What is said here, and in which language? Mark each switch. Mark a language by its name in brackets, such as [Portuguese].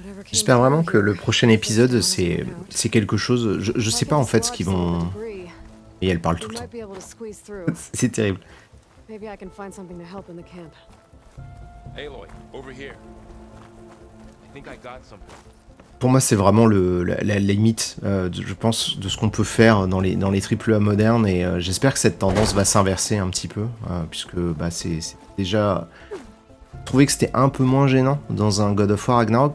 [French] J'espère vraiment que le prochain épisode, c'est quelque chose... Je sais pas en fait ce qu'ils vont... Et elle parle tout le temps. C'est terrible. [English] Maybe I can find something to help in the camp. Aloy, over here. I think I got something. [French] Pour moi, c'est vraiment la limite, je pense, de ce qu'on peut faire dans les triple A modernes. Et j'espère que cette tendance va s'inverser un petit peu. Puisque bah, c'est déjà... Je trouvais que c'était un peu moins gênant dans un God of War Ragnarok.